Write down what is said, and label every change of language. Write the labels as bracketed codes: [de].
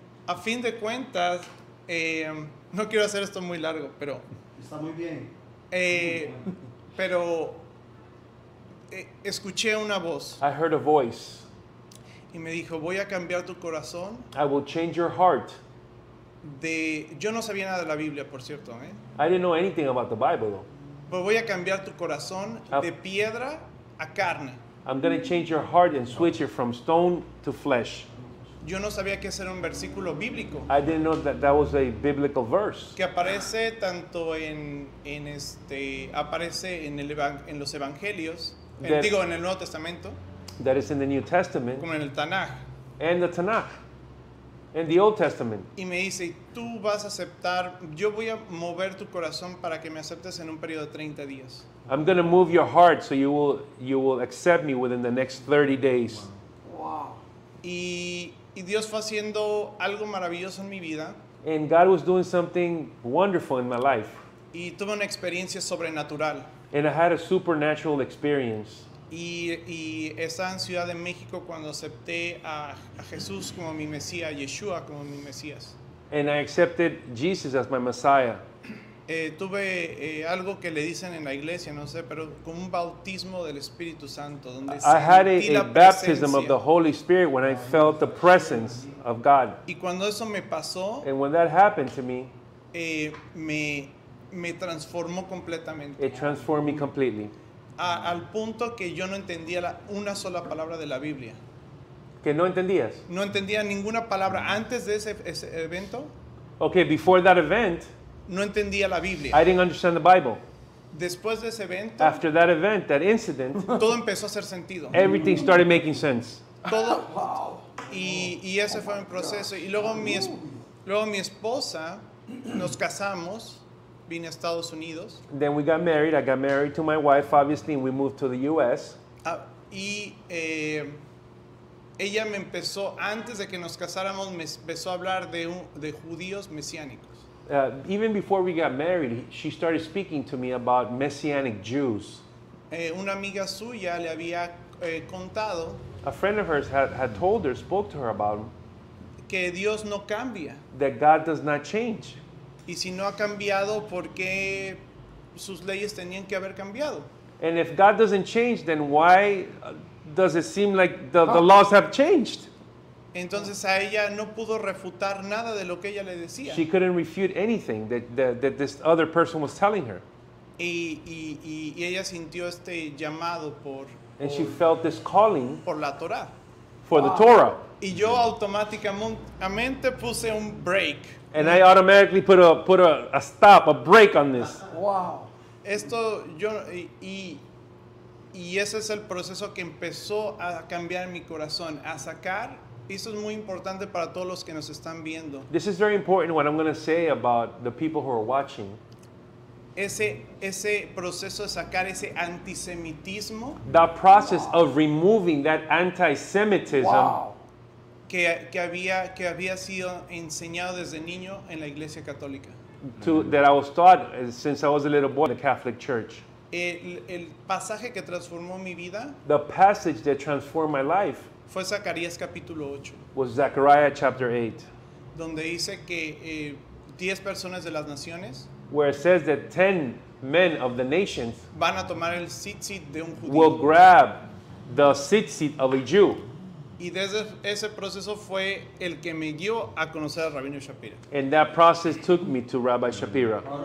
[es] A fin de cuentas, no quiero hacer esto muy largo, pero... Está muy bien. Pero escuché una voz. [en] I heard a voice. [es] Y me dijo, voy a cambiar tu corazón. [en] I will change your heart. [es] Yo no sabía nada de la Biblia, por cierto. [en] I didn't know anything about the Bible, though. [es] Pues voy a cambiar tu corazón de piedra a carne. [en] I'm going to change your heart and switch it from stone to flesh. [es] Yo no sabía que ese era un versículo bíblico. [en] I didn't know that was a biblical verse. [es] Que aparece tanto en los evangelios, en el Nuevo Testamento. [en] That is in the New Testament. [es] Como en el Tanaj. [en] And the Tanaj. In the Old Testament. [es] Y me dice, tú vas a aceptar, yo voy a mover tu corazón para que me aceptes en un periodo de 30 días. [en] I'm going to move your heart so you will accept me within the next 30 days. Wow. [es] Y Dios fue haciendo algo maravilloso en mi vida. [en] And God was doing something wonderful in my life. [es] Y tuve una experiencia sobrenatural. [en] And I had a supernatural experience. [es] Y estaba en Ciudad de México cuando acepté a Jesús como mi Mesías, Yeshua como mi Mesías. [en] And I accepted Jesus as my Messiah. [es] Tuve algo que le dicen en la iglesia, no sé, pero como un bautismo del Espíritu Santo. Donde [en] I had a baptism of the Holy Spirit when I felt the presence of God. [es] Y cuando eso me pasó. [en] And when that happened to me. [es] Me transformó completamente. [en] It transformed me completely. [es] al punto que yo no entendía una sola palabra de la Biblia. ¿Que no entendías? No entendía ninguna palabra antes de ese evento. [en] Okay, before that event. [es] No entendía la Biblia. [en] I didn't understand the Bible. [es] Después de ese evento. [en] After that event, that incident. [es] Todo empezó a hacer sentido. [en] Everything started making sense. [es] Todo. Wow. Y ese fue mi proceso. Y luego mi esposa, nos casamos. Vine a Estados Unidos. [en] Then we got married. I got married to my wife, obviously, and we moved to the U.S. [es] Ella me empezó, antes de que nos casáramos, me empezó a hablar de judíos mesiánicos. [en] Even before we got married, she started speaking to me about messianic Jews. [es] Una amiga suya le había contado. [en] A friend of hers had told her, spoke to her about them. [es] Que Dios no cambia. [en] That God does not change. [es] Y si no ha cambiado, ¿por qué sus leyes tenían que haber cambiado? [en] And if God doesn't change, then why does it seem like the laws have changed? [es] Entonces a ella no pudo refutar nada de lo que ella le decía. [en] She couldn't refute anything that this other person was telling her. [es] Y ella sintió este llamado por. [en] And she felt this calling. [es] Por la Torah. [en] For the Torah. [es] Y yo automáticamente puse un break. [en] And I automatically put a stop, a break on this. Wow. [es] Esto yo y ese es el proceso que empezó a cambiar mi corazón, a sacar. Esto es muy importante para todos los que nos están viendo. [en] This is very important what I'm going to say about the people who are watching. [es] Ese proceso de sacar ese antisemitismo. [en] The process of removing that antisemitism. Wow. [es] Que había sido enseñado desde niño en la Iglesia Católica. [en] That I was taught since I was a little boy in the Catholic Church. [es] El pasaje que transformó mi vida. [en] The passage that transformed my life. [es] Fue Zacarías capítulo 8. [en] Was Zechariah chapter 8. [es] Donde dice que 10 personas de las naciones. [en] Where it says that 10 men of the nations. [es] Van a tomar el tzitzit de un judío. [en] Will grab the tzitzit of a Jew. [es] Y desde ese proceso fue el que me guió a conocer a Rabino Shapira. [en] And that process took me to Rabbi Shapira.